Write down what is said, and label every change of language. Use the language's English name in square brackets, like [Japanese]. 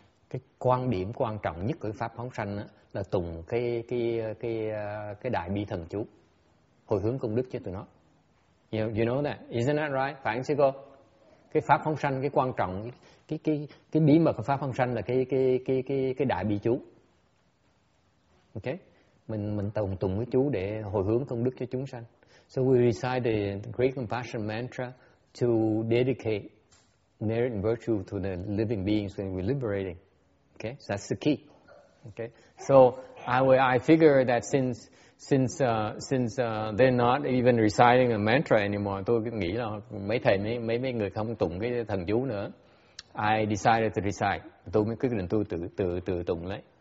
[Vietnamese] Cái quan điểm quan trọng nhất của pháp phóng sanh là tụng cái đại bi thần chú, hồi hướng công đức cho tụi nó. [English] You know that, isn't that right? [Vietnamese] Phải không, sư cô? Cái pháp phóng sanh, cái quan trọng, cái bí mật của pháp phóng sanh là cái đại bi chú. Okay, mình tụng cái chú để hồi hướng công đức cho chúng sanh. [English] So we recite the Great Compassion Mantra to dedicate merit and virtue to the living beings when we're liberating. Okay, so that's the key. Okay, so I figure that since they're not even reciting a mantra anymore, [Vietnamese] tôi nghĩ là mấy thầy mấy người không tụng cái thần chú nữa. [English] I decided to recite. [Vietnamese] Tôi mới quyết định tự tụng lấy.